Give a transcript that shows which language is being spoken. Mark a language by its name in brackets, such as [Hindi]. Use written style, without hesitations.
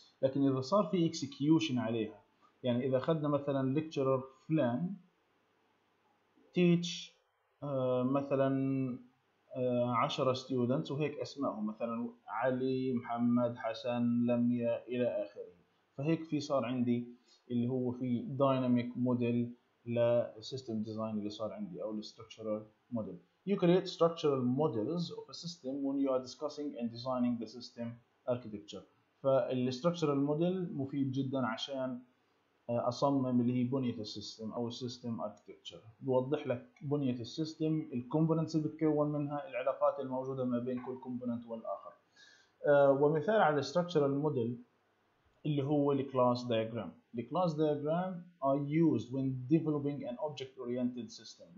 [Arabic] لكن اذا صار في execution عليها، يعني اذا اخذنا مثلا lecturer فلان teach مثلا 10 students وهيك اسمائهم مثلا علي محمد حسن لميا الى اخره، فهيك في صار عندي اللي هو في dynamic model للsystem design اللي صار عندي او structural model. [English] You create structural models of a system when you are discussing and designing the system architecture. [Arabic] فالstructural model مفيد جدا عشان أصمم اللي هي بنية السيستم أو السيستم أركتكتشر، بوضح لك بنية السيستم، الكومبوننتس اللي بتكون منها، العلاقات الموجودة ما بين كل كومبوننت والآخر. ومثال على structural model اللي هو class diagram. [English] Class diagram are used when developing an object-oriented system.